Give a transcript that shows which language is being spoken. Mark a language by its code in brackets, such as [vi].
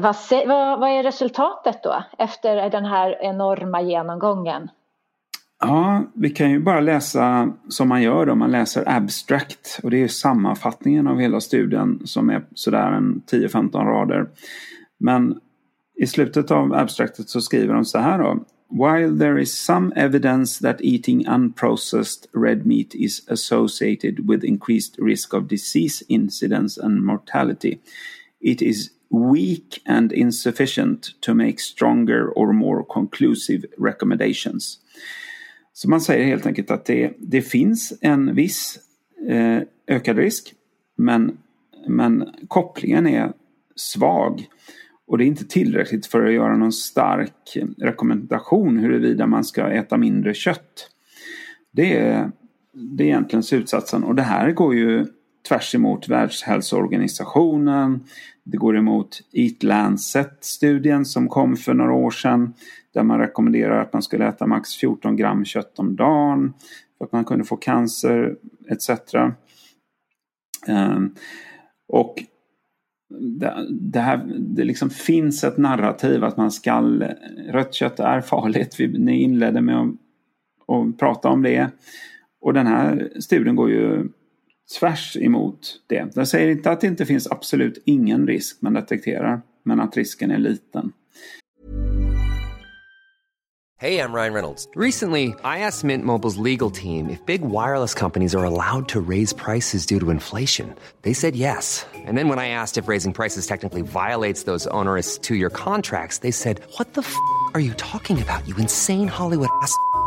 [sv] Vad är resultatet då efter den här enorma genomgången? Ja, vi kan ju bara läsa som man gör då. Man läser abstract, och det är ju sammanfattningen av hela studien som är sådär en 10-15 rader. Men i slutet av abstractet så skriver de så här då. [en] While there is some evidence that eating unprocessed red meat is associated with increased risk of disease incidence and mortality, it is weak and insufficient to make stronger or more conclusive recommendations. [sv] Så man säger helt enkelt att det finns en viss ökad risk, men kopplingen är svag. Och det är inte tillräckligt för att göra någon stark rekommendation huruvida man ska äta mindre kött. Det är egentligen slutsatsen. Och det här går ju tvärs emot Världshälsoorganisationen. Det går emot Eat Lancet-studien som kom för några år sedan. Där man rekommenderar att man skulle äta max 14 gram kött om dagen. För att man kunde få cancer, etc. Och det liksom finns ett narrativ att man ska, rött kött är farligt. Ni inledde med att prata om det. Och den här studien går ju tvärs emot det. Den säger inte att det inte finns absolut ingen risk man detekterar, men att risken är liten. [en] Hey, I'm Ryan Reynolds. Recently, I asked Mint Mobile's legal team if big wireless companies are allowed to raise prices due to inflation. They said yes. And then when I asked if raising prices technically violates those onerous 2-year contracts, they said, what the f*** are you talking about, you insane Hollywood ass f-.